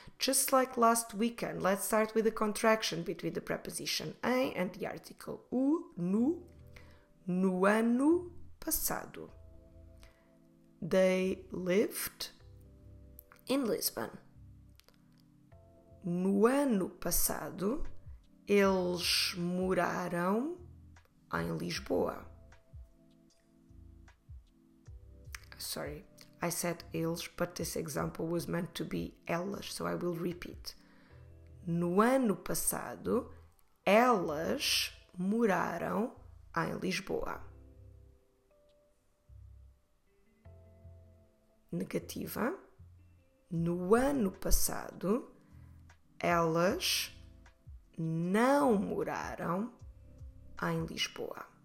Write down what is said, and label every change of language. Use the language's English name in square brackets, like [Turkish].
[English] Just like last weekend, let's start with a contraction between the preposition em and the article o, no. [Portuguese] No ano passado, [English] they lived in Lisbon. [Portuguese] No ano passado, eles moraram em Lisboa. [English] Sorry. I said eles, but this example was meant to be elas, so I will repeat. [Portuguese] No ano passado, elas moraram em Lisboa. Negativa. No ano passado, elas não moraram em Lisboa.